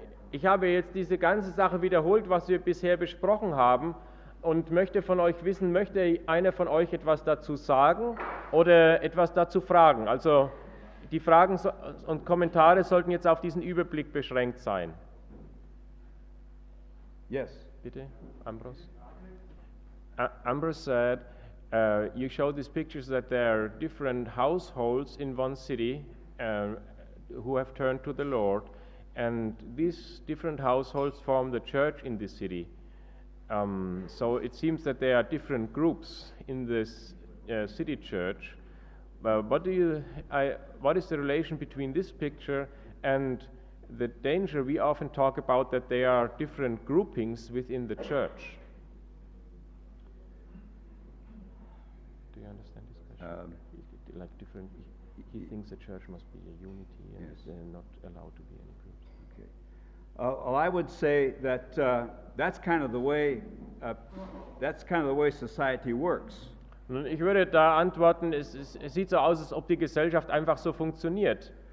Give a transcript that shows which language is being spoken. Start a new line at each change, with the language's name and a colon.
German: Ich habe jetzt diese ganze Sache wiederholt, was wir bisher besprochen haben, und möchte von euch wissen, möchte einer von euch etwas dazu sagen oder etwas dazu fragen? Also die Fragen und Kommentare sollten jetzt auf diesen Überblick beschränkt sein.
English: Yes.
German: Bitte, Ambrose.
English: Ambrose said, you showed these pictures that there are different households in one city who have turned to the Lord. And these different households form the church in this city. So it seems that there are different groups in this city church. What is the relation between this picture and the danger we often talk about, that there are different groupings within the church? Do you understand this question? Like different, he thinks the church must be a unity and yes. They're not allowed to be any. Well, I would say that that's kind of the way society works.
German: Ich würde da antworten, es sieht so aus, als ob die Gesellschaft einfach so funktioniert.